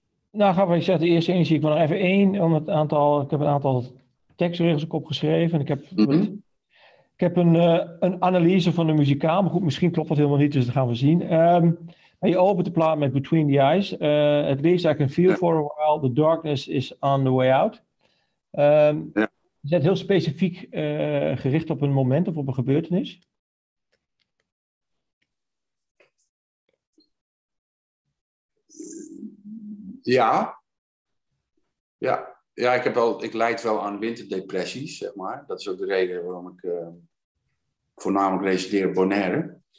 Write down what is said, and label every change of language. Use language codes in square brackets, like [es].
[nl] Nou, grappig, ik zeg de eerste energie. Ik wil nog even één, om het aantal, ik heb een aantal tekstregels opgeschreven. Ik heb, ik heb een analyse van de muzikaal, maar goed, misschien klopt dat helemaal niet, dus dat gaan we zien. Je opent de plaat met Between the Eyes. [en] At least I can feel for a while, the darkness is on the way out. [nl] Je bent heel specifiek gericht op een moment of op een gebeurtenis. Ja. Ja. Ja, ik heb wel, ik leid wel aan winterdepressies, zeg maar. Dat is ook de reden waarom ik voornamelijk resideer Bonaire.